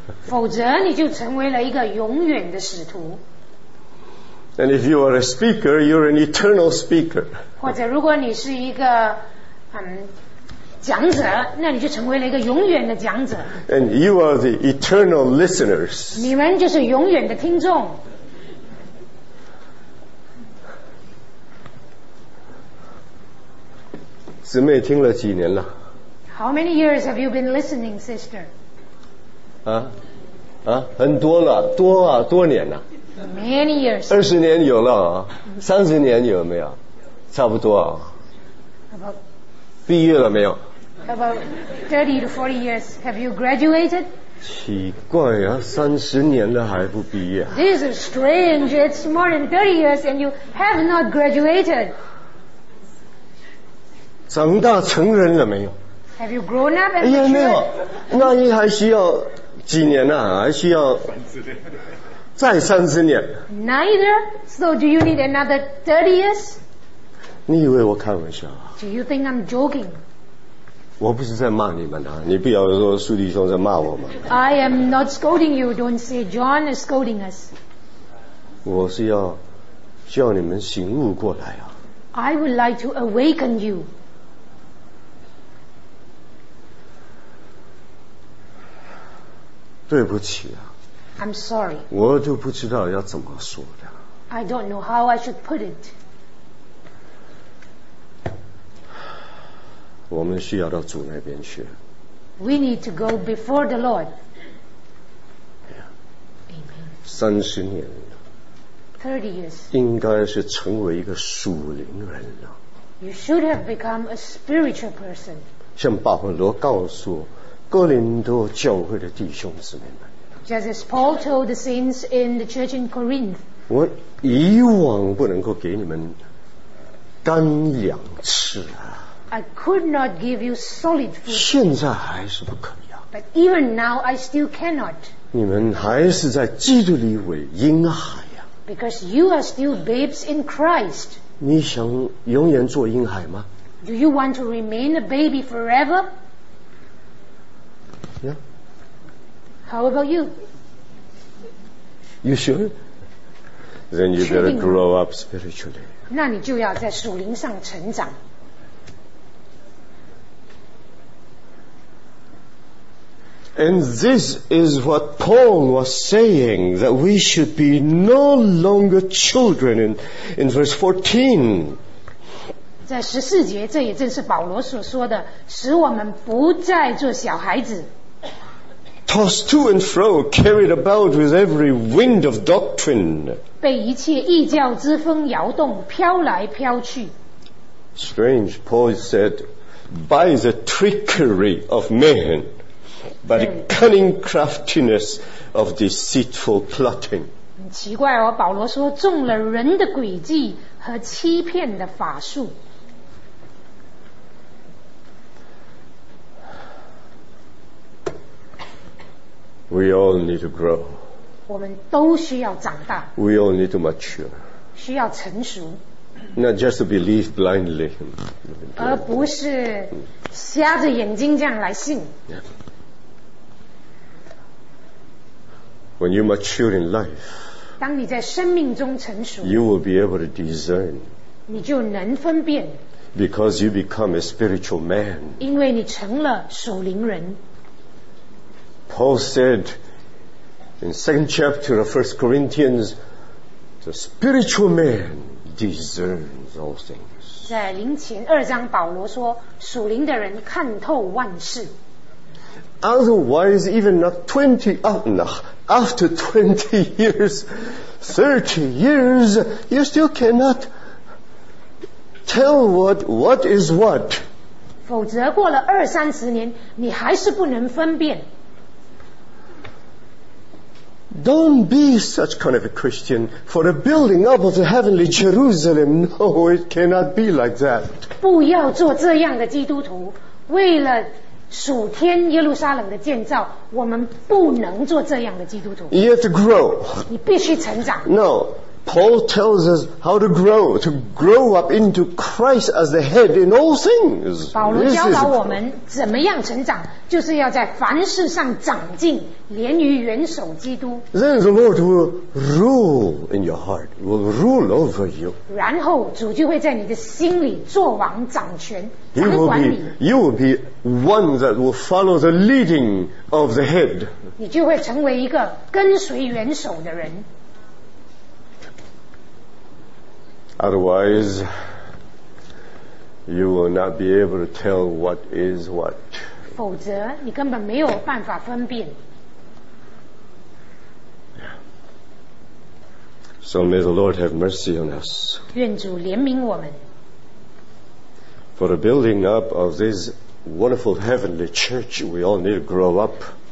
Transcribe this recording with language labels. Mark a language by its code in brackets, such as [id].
[zh] 否则你就成为了一个永远的使徒。 [en] And if you are a speaker, you're an eternal speaker. [zh] 或者如果你是一个讲者，那你就成为了一个永远的讲者。 [en] And you are the eternal listeners. [zh] 你们就是永远的听众。姊妹听了几年了？ [en] How many years have you been listening, sister? [zh] 很多了，多年了。 [en] Many years. [zh] 二十年有了啊，三十年有没有？差不多啊。毕业了没有？ [en] About 30 to 40 years. Have you graduated? [zh] 奇怪啊，三十年了还不毕业。 [en] This is strange. It's more than 30 years and you have not graduated. [zh] 长大成人了没有？ [en] Have you grown up and matured? [zh] 没有，那你还需要几年啊？还需要再三十年。 [en] Neither. So do you need another 30 years? [zh] 你以为我开玩笑啊？ [en] Do you think I'm joking? [zh] 我不是在骂你们啊，你不要说苏弟兄在骂我嘛。 [en] I am not scolding you. Don't say John is scolding us. [zh] 我是要叫你们醒悟过来啊。 [en] I would like to awaken you. [zh] 对不起啊。 [en] I'm sorry. [zh] 我都不知道要怎么说的。 [en] I don't know how I should put it. [zh] 我们需要到主那边去。 [en] We need to go before the Lord. Yeah. [zh] Amen. 三十年了。 [en] 30 years. [zh] 应该是成为一个属灵人了。 [en] You should have become a spiritual person. [zh] 像保罗告诉哥林多教会的弟兄姊妹们。 [en] Just as Paul told the saints in the church in Corinth. [zh] 我以往不能够给你们干粮吃啊。 [en] I could not give you solid food. [zh] 现在还是不可以啊。 [en] But even now, I still cannot. [zh] 你们还是在基督里为婴孩啊。 [en] Because you are still babes in Christ. [zh] 你想永远做婴孩吗？ [en] Do you want to remain a baby forever? Yeah. How about you? You sure? Then you better grow up spiritually. [zh] 那你就要在属灵上成长。 [en] And this is what Paul was saying, that we should be no longer children in verse 14. [zh] 在十四节，这也正是保罗所说的，使我们不再做小孩子。 [en] Tossed to and fro, carried about with every wind of doctrine. [zh] 被一切异教之风摇动，飘来飘去。 [en] Strange, Paul said, by the trickery of men, by the cunning craftiness of deceitful plotting. [zh] 奇怪哦，保罗说中了人的诡计和欺骗的法术。 [en] We all need to grow. [zh] 我们都需要长大。 [en] We all need to mature. [zh] 需要成熟。 [en] Not just to believe blindly. [zh] 而不是瞎着眼睛这样来信。 [en] Yeah. When you mature in life, [zh] 当你在生命中成熟， [en] you will be able to discern. [zh] 你就能分辨。 [en] Because you become a spiritual man. [zh] 因为你成了属灵人。 [en] Paul said in the second chapter of 1 Corinthians, the spiritual man discerns all things. [zh] 在灵前二章保罗说属灵的人看透万事。 [en] Otherwise, even after 20 years, 30 years, you still cannot tell what is what. [zh] 否则过了二三十年你还是不能分辨。 [en] Don't be such kind of a Christian for the building up of the heavenly Jerusalem. No, it cannot be like that. [zh] 不要做这样的基督徒，为了属天耶路撒冷的建造，我们不能做这样的基督徒。 [en] You have to grow. [zh] 你必须成长。 [en] No, Paul tells us how to grow up into Christ as the head in all things. [zh] 保罗教导我们怎么样成长。就是要在凡事上长进，连于元首基督。 [en] Then the Lord will rule in your heart, will rule over you. [zh] 然后主就会在你的心里作王掌权，掌管你。 [en] You will be one that will follow the leading of the head. [zh] 你就会成为一个跟随元首的人。 [en] Otherwise, you will not be able to tell what is what. [zh] 否则你根本没有办法分辨。 [en] So may the Lord have mercy on us. [zh] 愿主怜悯我们。 [en] For the building up of this wonderful heavenly church, we all need to grow up.